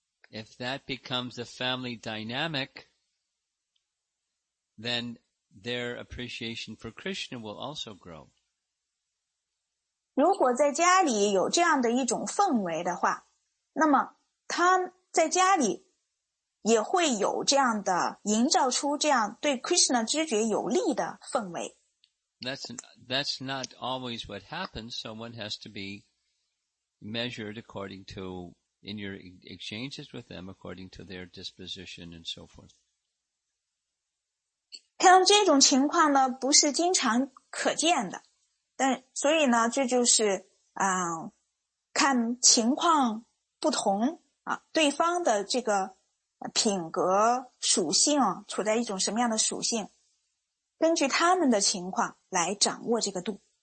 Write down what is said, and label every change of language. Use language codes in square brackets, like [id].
[en] If that becomes a family dynamic, then their appreciation for Krishna will also grow. [zh] 如果在家里有这样的一种氛围的话，那么他在家里也会有这样的营造出这样对 Krishna 知觉有利的氛围。 [en] That's not always what happens. Someone has to be measured according to, in your exchanges with them, according to their disposition and so forth. [zh] 像这种情况呢，不是经常可见的。但所以呢，这就是看情况不同啊，对方的这个品格属性啊，处在一种什么样的属性，根据他们的情况来掌握这个度。